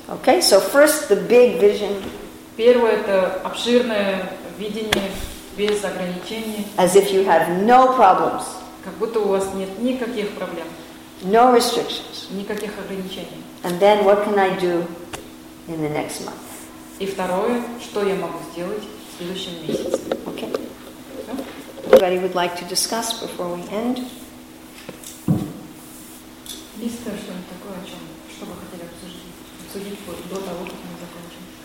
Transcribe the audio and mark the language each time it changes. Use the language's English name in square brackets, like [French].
[English] Okay, so first the big vision. [Russian] Первое — это обширное видение без ограничений. [English] As if you have no problems. [Russian] Как будто у вас нет никаких проблем. [English] No restrictions. [Russian] Никаких ограничений. [English] And then what can I do in the next month? [Russian] И второе, что я могу сделать в следующем месяце? [English] Okay. Anybody would like to discuss before we end? [Russian] Есть что-нибудь такое, о чем, что вы хотели обсудить до того, как мы закончим?